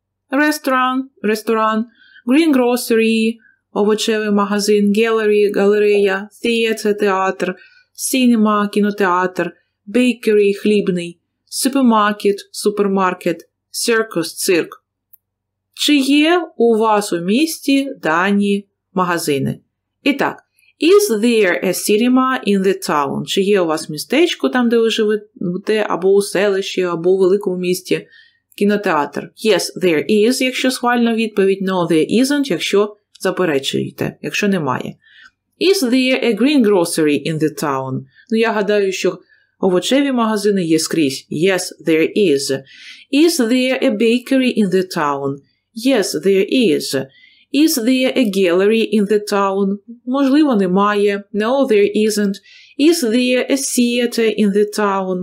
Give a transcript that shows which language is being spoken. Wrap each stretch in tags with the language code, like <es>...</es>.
<uk>Ресторан, green grocery, овочевий магазин, gallery, галерея, theater, театр, cinema, кінотеатр, bakery, хлібний, супермаркет, circus, цирк. Чи є у вас у місті дані магазини? І так,</uk> <en>is there a cinema in the town?</en> <uk>Чи є у вас містечко там, де ви живете, або у селищі, або у великому місті, кінотеатр?</uk> <en>Yes, there is,</en> <uk>якщо схвальна відповідь,</uk> <en>no, there isn't,</en> <uk>якщо заперечуєте, якщо немає.</uk> <en>Is there a green grocery in the town?</en> <uk>Ну, я гадаю, що овочеві магазини є скрізь.</uk> <en>Yes, there is. Is there a bakery in the town? Yes, there is. Is there a gallery in the town?</en> <uk>Можливо, немає.</uk> <en>No, there isn't. Is there a theater in the town?</en>